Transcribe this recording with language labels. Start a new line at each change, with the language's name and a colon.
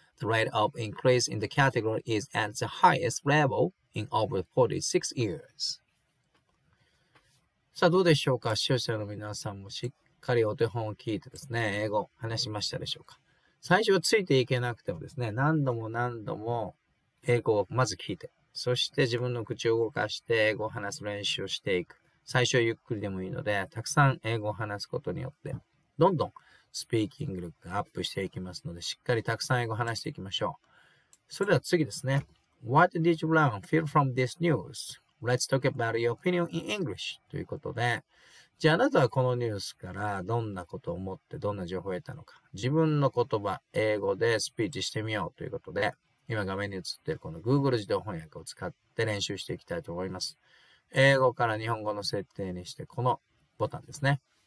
English: The rate of increase in the category is at the highest level in over 46 years.
Japanese: さあどうでしょうか? 視聴者の皆さんもしっかりお手本を聞いてですね、英語話しましたでしょうか? 最初はついていけなくてもですね、何度も何度も英語をまず聞いて、そして自分の口を動かして英語を話す練習をしていく。最初はゆっくりでもいいので、たくさん英語を話すことによって、どんどんスピーキング力がアップしていきますので、しっかりたくさん英語を話していきましょう。それでは次ですね。
English: What did you learn feel from this news? Let's talk about your opinion in English.
Japanese: ということで、じゃああなたはこのニュースからどんなことを思って、どんな情報を得たのか。自分の言葉、英語でスピーチしてみようということで、今画面に映っているこの Google 自動翻訳を使って練習していきたいと思います。英語から日本語の設定にして、このボタンですね。